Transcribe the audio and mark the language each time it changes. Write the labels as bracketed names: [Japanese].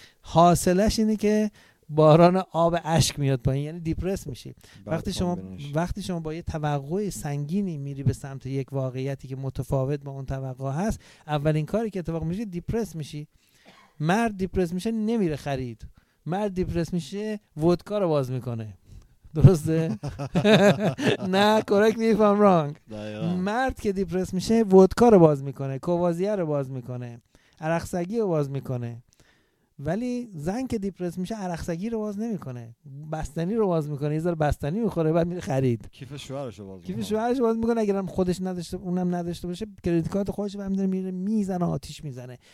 [Persian] حاصلش اینه که باران آب اشک میاد پایین، یعنی دیپرس میشی. وقتی شما با یه توقع سنگینی میری به سمت یک واقعیتی که متفاوت با اون توقع هست، اولین کاری که اتفاق میشه دیپرس میشی. مرد دیپرس میشه نمیره خرید، مرد دیپرس میشه ودکا رو باز میکنه. درسته؟ نه [English] correct me if I'm wrong. [Persian] مرد که دیپرس میشه ودکا رو باز میکنه، کوازیه رو باز میکنه، عرقسگی رو باز میکنه. ولی زن که دیپرس میشه عرقسگی رو باز نمیکنه، بستنی رو باز میکنه، یه ذره بستنی میخوره بعد میره خرید. کیف شوهرش رو باز میکنه. اگرم خودش نداشته، اونم نداشته باشه، کریدیت کارت خودش رو هم داره میره میزنه، آتیش میزنه.